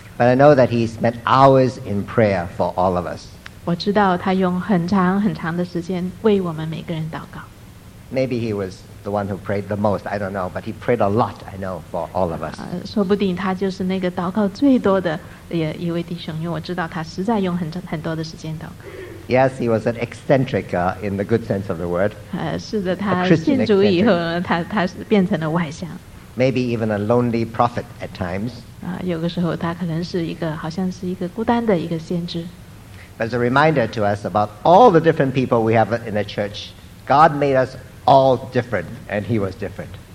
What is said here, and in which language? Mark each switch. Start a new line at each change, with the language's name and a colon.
English: But I know that he spent hours in prayer for all of us.
Chinese: 我知道他用很长很长的时间为我们每个人祷告。
English: Maybe he was the one who prayed the most, I don't know, but he prayed a lot, I know, for all of us.
Chinese: 说不定他就是那个祷告最多的一位弟兄，因为我知道他实在用很多的时间祷告。
English: Yes, he was an eccentric in the good sense of the word.
Chinese: 是的，他信主以后，他变成了外向。
English: Maybe even a lonely prophet at times.
Chinese: 有个时候他可能是一个好像是一个孤单的一个先知。
English: But it's a reminder to us about all the different people we have in the church. God made us all different, and he was different.